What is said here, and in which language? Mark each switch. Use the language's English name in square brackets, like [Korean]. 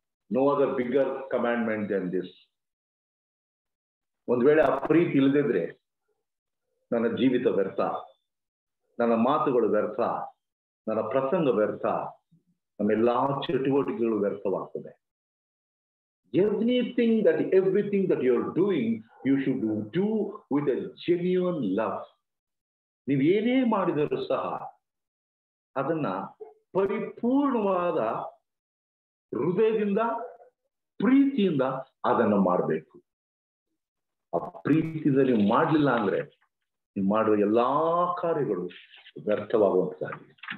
[English] No other bigger commandment than this. [Kannada] ಒಂದ್ ವೇಳೆ ಆ ಪ್ರೀತಿ ಇಲ್ಲದಿದ್ರೆ ನನ್ನ ಜೀವಿತ ವ್ಯರ್ಥ, ನನ್ನ ಮಾತುಗಳು ವ್ಯರ್ಥ, ನನ್ನ ಪ್ರಸಂಗ ವ್ಯರ್ಥ, ನಮ್ಮೆಲ್ಲಾ ಚಟುವಟಿಕೆಗಳು ವ್ಯರ್ಥವಾಗ್ತದೆ. [English] Everything that you are doing, you should do with a genuine love. [Kannada] ನೀವು ಏನೇ ಮಾಡಿದರೂ ಸಹ ಅದನ್ನ ಪರಿಪೂರ್ಣವಾದ ಹೃದಯದಿಂದ ಪ್ರೀತಿಯಿಂದ ಅದನ್ನು ಮಾಡಬೇಕು. ಆ ಪ್ರೀತಿಯಲ್ಲಿ ಮಾಡಲಿಲ್ಲ ಅಂದ್ರೆ ನೀವು ಮಾಡುವ ಎಲ್ಲಾ ಕಾರ್ಯಗಳು ವ್ಯರ್ಥವಾಗುವಂತಾಗಿ.